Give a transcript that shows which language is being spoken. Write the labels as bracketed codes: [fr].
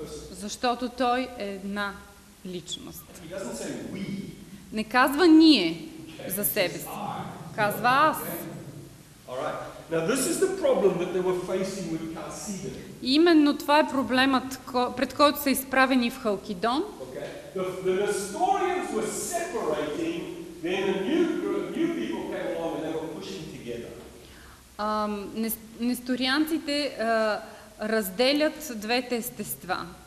[bg] Защото той е една личност. Не казва ние за себе си. Казва аз. [en] All right. Now this is the problem that they were facing with Chalcedon. [bg] Именно това е проблемът, пред който са изправени в Халкидон. [en] Okay. The Nestorians were separating, then a new people came along and they were pushing together. [bg] Несторианците разделят двете естества.